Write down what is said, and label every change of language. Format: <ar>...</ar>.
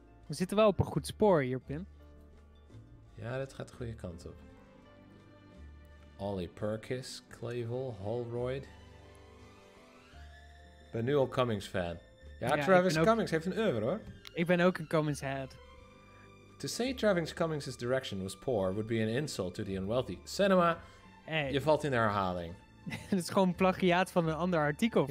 <nl>We zitten wel op een goed spoor hier, Pim. Ja, dat gaat de goede kant op. Ollie Perkis, Clavel, Holroyd. Ik ben nu al Cummings fan. Ja, Travis Cummings heeft een oeuvre, hoor. Ik ben ook een Cummings head.</nl> <en>To say Travis Cummings' direction was poor would be an insult to the unwealthy.</en> <nl>Cinema, je valt in de herhaling. Dat is gewoon een plagiaat van een ander artikel.</nl>